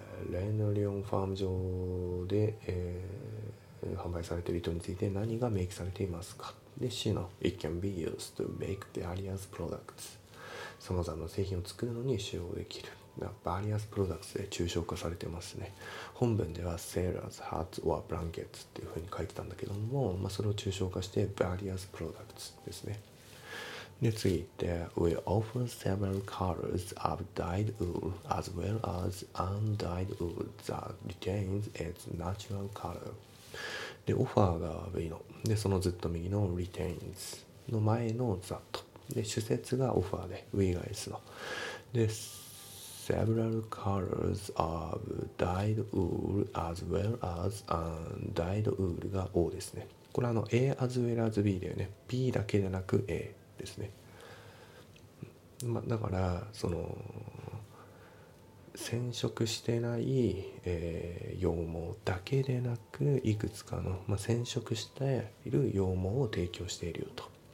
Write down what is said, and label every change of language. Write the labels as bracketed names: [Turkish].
[Japanese] Lenolion Farm 上で、販売されている糸について何がメイクされていますか。で、C の [English] It can be used to make various products. [Japanese] さまざまな製品を作るのに使用できる。 [English] Various products [Japanese] で抽象化されてますね。本文では [English] Sailors, Hats or Blankets [Japanese] っていうふうに書いてたんだけども、まあ、それを抽象化して [English] Various products [Japanese] ですね。で、次行って [English] We offer several colors of dyed wool as well as undyed wool that retains its natural color. [Japanese] で、オファーが V の。で、そのずっと右の Retains の前の That。で、主節がオファーで We が S の。 [English] で、Several colors of dyed wool as well as undyed wool [Japanese] が O ですね。これ [English] A as well as B [Japanese] だよね。 B だけじゃなく A ですね。ま、だから、その、染色してない、羊毛だけでなく、いくつかの、まあ、染色している羊毛を提供しているよと。